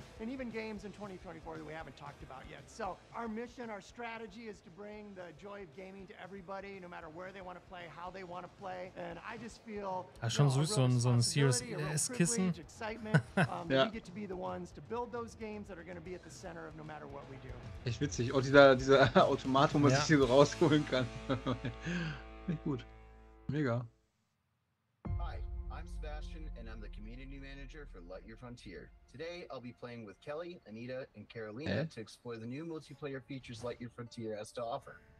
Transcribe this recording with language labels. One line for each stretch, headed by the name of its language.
English: And even games in 2024 that we haven't talked about yet. So our mission, our strategy is to bring the joy of gaming to everybody, no matter where they want to play, how they want to play. And I just feel
German: schon süß, so ein Serious S kissen. Ja.
English: We get to be the ones to build those games that are going to be at the center of no matter what we do.
German: Echt witzig. Oh, dieser Automat, wo man sich hier so rausholen kann. Nicht gut. Mega.
English: Hi, I'm Sebastian and I'm the community manager for Light Your Frontier. Today, I'll be playing with Kelly, Anita, and Carolina to explore the new multiplayer features Light Your Frontier has to offer.